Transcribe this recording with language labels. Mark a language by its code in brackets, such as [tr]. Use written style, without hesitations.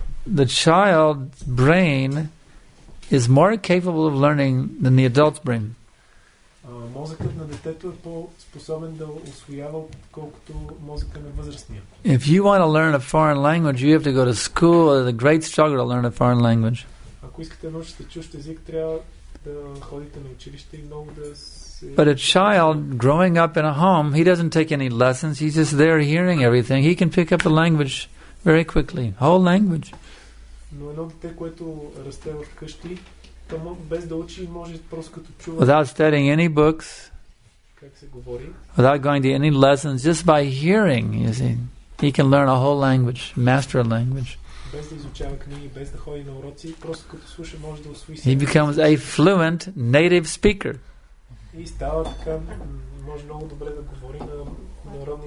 [en] The child's brain is more capable of learning than the adult's brain. [bg] Мозъкът на детето е по-способен да усвоява колкото мозъка на възрастния. [en] If you want to learn a foreign language, you have to go to school. It's a great struggle to learn a foreign language. [bg] Ако искате научите чужд език, трябва да ходите на училище и много да се... [en] But a child growing up in a home, he doesn't take any lessons. He's just there hearing everything. He can pick up the language very quickly, whole language. [bg] Но едно дете, което расте в къщи, то без да учи, може просто като чува. [en] Without studying any books, [bg] как се говори, [en] without going to any lessons, just by hearing, you see, he can learn a whole language, master a language. [bg] Без да изучава книги, без да ходи на уроци, просто като слуша, може да усвои. [en] He becomes a fluent native speaker. [bg] И става така, може много добре да говори на народни.